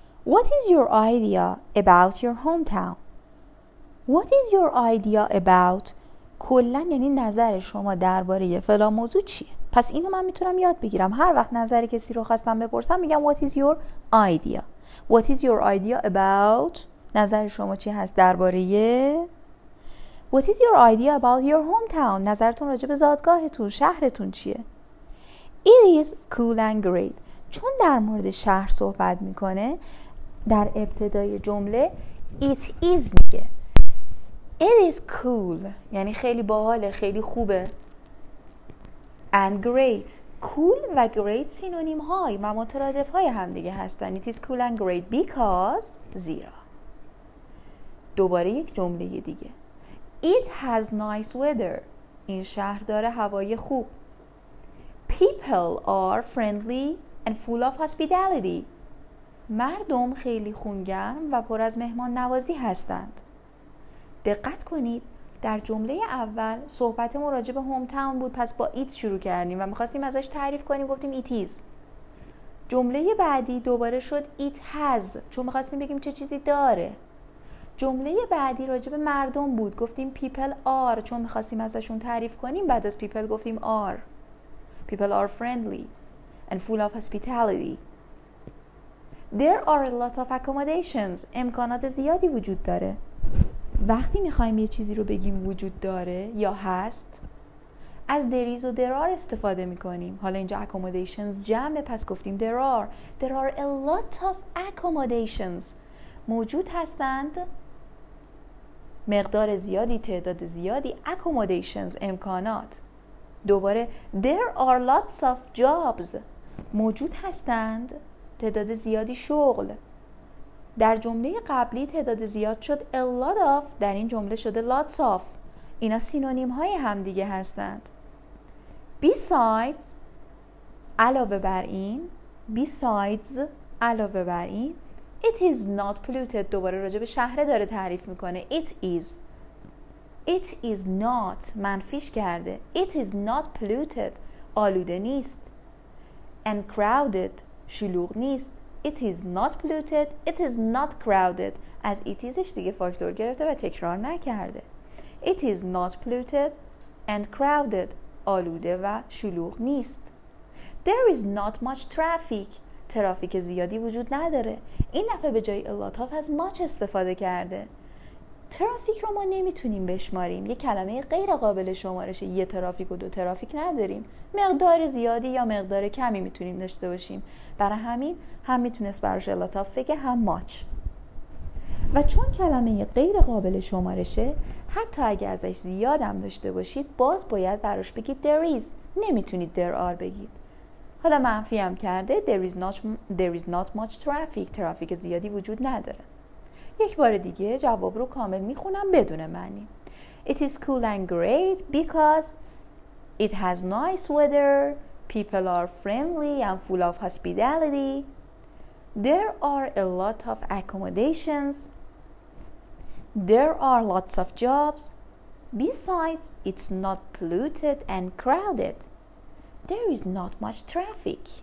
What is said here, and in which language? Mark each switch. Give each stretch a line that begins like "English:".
English: What is your idea about your hometown? What is your idea about
Persian: کلن یعنی نظر شما درباره فلان موضوع چیه؟ پس اینو من میتونم یاد بگیرم. هر وقت نظر کسی رو خواستم بپرسم میگم
English: What is your idea? What is your idea about
Persian: نظر شما چی هست درباره
English: What is your idea about your hometown?
Persian: نظرتون راجع به زادگاهتون، شهرتون چیه؟
English: It is cool and great.
Persian: چون در مورد شهر صحبت میکنه در ابتدای جمله
English: It is
Persian: میگه.
English: It is cool
Persian: یعنی خیلی باحاله، خیلی خوبه.
English: And great.
Persian: Cool و great سینونیم های و مترادف های هم دیگه هستن.
English: It is cool and great because
Persian: زیرا. دوباره یک جمله دیگه.
English: It has nice weather.
Persian: این شهر داره هوای خوب.
English: People are friendly and full of hospitality.
Persian: مردم خیلی خونگرم و پر از مهمان نوازی هستند. دقت کنید در جمله اول صحبت ما راجع به هوم تاون بود، پس با ایت شروع کردیم و می‌خواستیم ازش تعریف کنیم، گفتیم ایت ایز. جمله بعدی دوباره شد ایت هاز، چون می‌خواستیم بگیم چه چیزی داره. جمله بعدی راجع به مردم بود، گفتیم پیپل آر، چون می‌خواستیم ازشون تعریف کنیم بعد از پیپل گفتیم آر.
English: People are friendly and full of hospitality. There are a lot of accommodations.
Persian: امکانات زیادی وجود داره. وقتی میخواییم یه چیزی رو بگیم وجود داره یا هست، از there is و there are استفاده میکنیم. حالا اینجا accommodations جمعه، پس گفتیم
English: there are a lot of accommodations.
Persian: موجود هستند مقدار زیادی، تعداد زیادی accommodations، امکانات.
English: دوباره there are lots of jobs.
Persian: موجود هستند تعداد زیادی شغل. در جمله قبلی تعداد زیاد شد a lot of، در این جمله شده lots of. اینا سینونیم های هم دیگه هستند.
English: Besides
Persian: علاوه بر این،
English: besides
Persian: علاوه بر این،
English: it is not polluted.
Persian: دوباره راجع به شهر داره تعریف میکنه.
English: It is not
Persian: منفیش کرده.
English: It is not polluted
Persian: آلوده نیست.
English: And crowded
Persian: شلوغ نیست.
English: It is not polluted. It is not crowded.
Persian: از it isش دیگه فاکتور گرفته و تکرار نکرده.
English: It is not polluted and crowded.
Persian: آلوده و شلوغ نیست.
English: There is not much traffic.
Persian: ترافیک زیادی وجود نداره. این دفعه به جای a lot of از much استفاده کرده. ترافیک رو ما نمیتونیم بشماریم. یه کلمه غیر قابل شمارشه. یه ترافیک و دو ترافیک نداریم. مقدار زیادی یا مقدار کمی میتونیم داشته باشیم. برای همین هم میتونست براش لطاف بگه هم ماچ. و چون کلمه غیر قابل شمارشه، حتی اگه ازش زیاد هم داشته باشید باز باید براش بگید there is. نمیتونید there are بگید. حالا منفی هم کرده
English: there is not much traffic.
Persian: ترافیک زیادی وجود نداره. یک بار دیگه جواب رو کامل میخونم بدون معنی.
English: It is cool and great because it has nice weather. People are friendly and full of hospitality. There are a lot of accommodations. There are lots of jobs. Besides, it's not polluted and crowded. There is not much traffic.